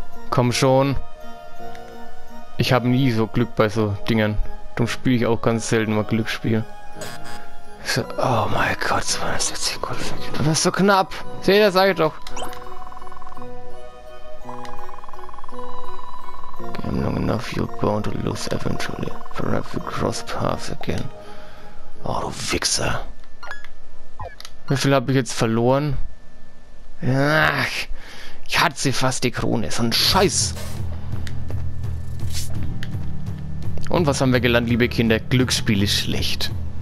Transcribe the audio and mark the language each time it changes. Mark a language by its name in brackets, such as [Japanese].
[German] Komm schon. Ich habe nie so Glück bei so Dingen. Darum spiele ich auch ganz selten mal Glücksspiel. So, oh mein Gott, 260 Gold. Das ist so knapp. Seht ihr, das sage ich doch. [English] You're bound to lose eventually. Perhaps you cross paths again. [German] Oh, du Wichser. Wie viel habe ich jetzt verloren? Ach, ich hatte sie fast die Krone. So ein Scheiß. Und was haben wir gelernt, liebe Kinder? Glücksspiel ist schlecht.